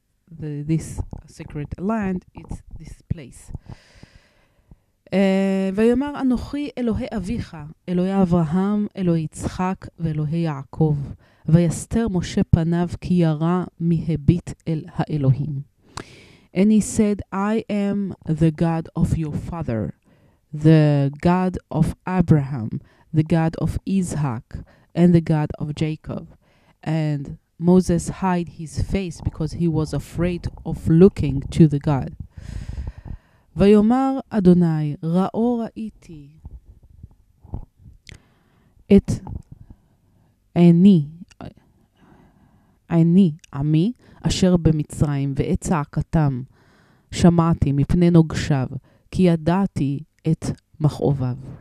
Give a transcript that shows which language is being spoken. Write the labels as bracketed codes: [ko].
[en] this secret land it's this place [he] ויאמר אנוכי אלוהי אביך אלוהי אברהם אלוהי יצחק ואלוהי יעקב ויסתר משה פניו כי ירא מהביט אל האלוהים. [en] And he said, I am the God of your father, the God of Abraham, the God of Isaac, and the God of Jacob. And Moses hid his face because he was afraid of looking to the God. [he] ויאמר אדוני, ראו ראיתי את עיני, עיני, עמי, אשר במצרים, ואת צעקתם, שמעתי מפני נוגשיו, כי ידעתי את מכאוביו.